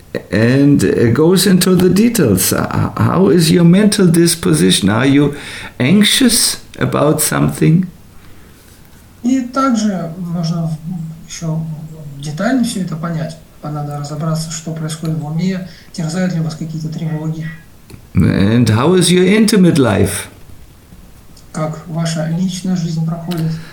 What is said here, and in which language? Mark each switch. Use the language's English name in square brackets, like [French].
[English] And it goes into the details. How is your mental disposition? Are you anxious about something? [Russian] И также можно еще детально все это понять. Надо разобраться, что происходит в уме, терзают ли вас какие-то тревоги. [English] And how is your intimate life? [Russian] Как ваша личная жизнь проходит?